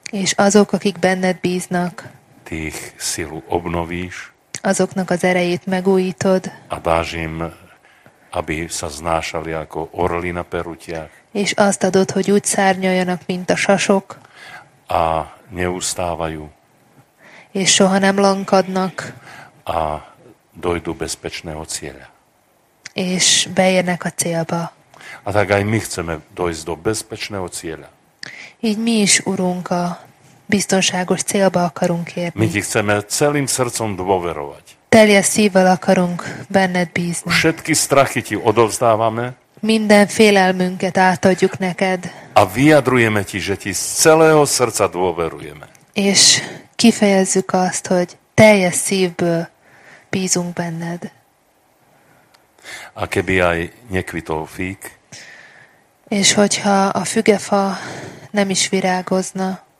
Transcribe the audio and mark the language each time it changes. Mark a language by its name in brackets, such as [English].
[Hungarian] És azok, akik benned bíznak. [Slovak] Tých silu obnovíš. [Hungarian] Azoknak az erejét megújítod. [Slovak] A dáš im, aby sa znášali ako orli na perutiach. [Hungarian] És azt adod, hogy úgy szárnyaljanak, mint a sasok. [Slovak] A neustávajú. [Hungarian] És soha nem lankadnak. [Slovak] A dojdu bezpečného cieľa. [Hungarian] És beérnek a célba. [Slovak] A tak aj my chceme dojsť do bezpečného cieľa. [Hungarian] Így mi is, Urunk, a biztonságos célba akarunk érni. [Slovak] My ti chceme celým srdcom dôverovať. [Hungarian] Telje szívvel akarunk benned bízni. [Slovak] Všetky strachy ti odovzdávame. [Hungarian] Minden félelmünket átadjuk neked. [Slovak] A vyjadrujeme ti, že ti z celého srdca dôverujeme. [Hungarian] És kifejezzük azt, hogy telje szívből bízunk benned. [Slovak] A keby aj nekvitol fík. [Hungarian] És hogyha a fügefa nem is virágozna.